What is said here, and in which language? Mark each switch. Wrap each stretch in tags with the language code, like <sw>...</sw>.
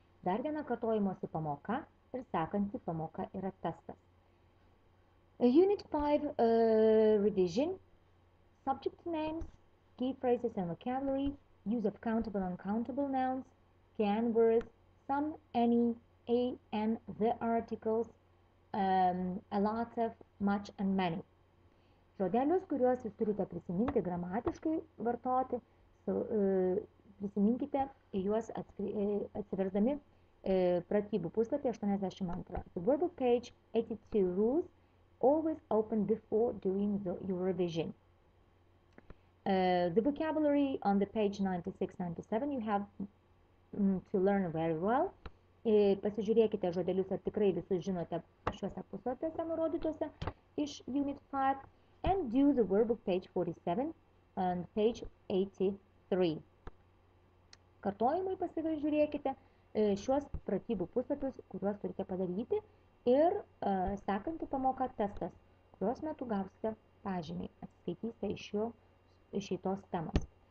<lt>Dar viena kartojimosi pamoka ir sekanti pamoka yra testas.</lt> <en>Unit 5 revision, subject names, key phrases and vocabulary, use of countable and uncountable nouns, can words, some, any, a, and the articles, a lot of, much and many.</en> <lt>Žodelius, kuriuos jūs turite prisiminti gramatiškai vartoti, prisiminkite juos atsiversdami pratybų puslapį 82.</lt> <en>The verbal page 82 rules always open before doing your revision. The vocabulary on the page 96-97 you have to learn very well.</en> <lt>Pasižiūrėkite žodelius, ar tikrai visus žinote šiuose puslapiuose nurodytuose iš Unit 5.</lt> <en>And do the workbook page 47 and page 83.</en> <lt>Kartojimui pasižiūrėkite šiuos pratybų puslapius, kuriuos turite padaryti, ir sekantį pamoką testas, kurios metu gausite pažymį, atskaitysite iš jo šitos temos.</lt>